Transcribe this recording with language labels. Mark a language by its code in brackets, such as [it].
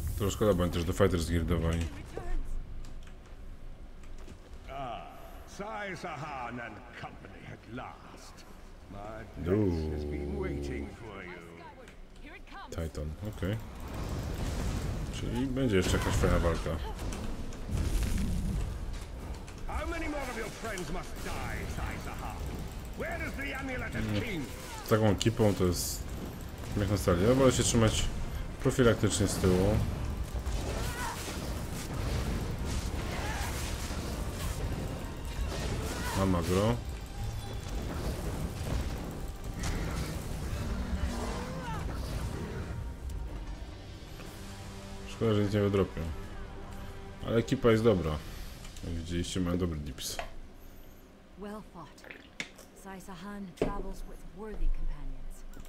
[pl] Szkoda, bo oni też do fighter zgirdowali. [en] Sai Sahan and company at last. My prince has been waiting for you. [pl] Titan, okej. Czyli będzie jeszcze jakaś fajna walka. [en] How many more of your friends must die, Sai Sahan? Where is the amulet of king? [pl] Z taką ekipą to jest jak na stali. Ja wolę się trzymać profilaktycznie z tyłu. Magro. Szkoda, że nic nie wydropią. Ale ekipa jest dobra. Jak widzieliście, mają dobry dips. [en] Well fought. Sai Sahan travels with worthy companions.